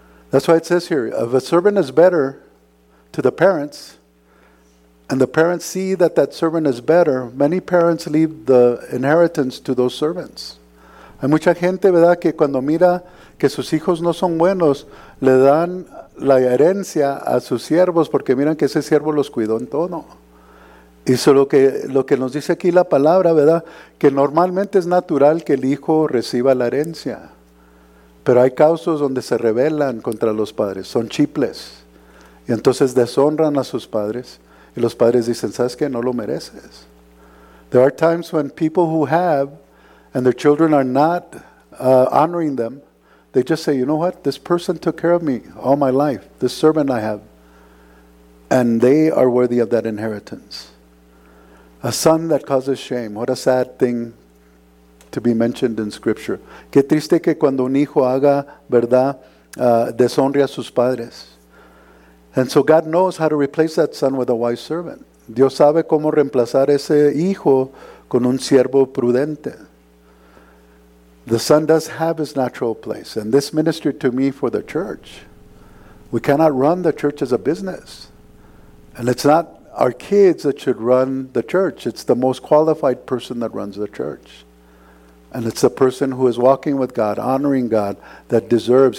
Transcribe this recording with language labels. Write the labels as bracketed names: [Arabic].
[English] That's why it says here, if a servant is better to the parents, and the parents see that that servant is better, many parents leave the inheritance to those servants. [Spanish] Hay mucha gente, verdad, que cuando mira que sus hijos no son buenos, le dan la herencia a sus siervos porque miran que ese siervo los cuidó en todo. Y eso es lo que nos dice aquí la palabra, ¿verdad? Que normalmente es natural que el hijo reciba la herencia. Pero hay casos donde se rebelan contra los padres, son chiples. Y entonces deshonran a sus padres. Y los padres dicen, ¿sabes qué? No lo mereces. [English] There are times when people who have, and their children are not honoring them, they just say, you know what? This person took care of me all my life. This servant I have. And they are worthy of that inheritance. A son that causes shame. What a sad thing to be mentioned in Scripture. [Spanish] Qué triste que cuando un hijo haga, verdad, deshonre a sus padres. [English] And so God knows how to replace that son with a wise servant. [Spanish] Dios sabe cómo reemplazar ese hijo con un siervo prudente. [English] The son does have his natural place. And this ministry to me for the church. We cannot run the church as a business. And it's not our kids that should run the church. It's the most qualified person that runs the church. And it's the person who is walking with God, honoring God, that deserves.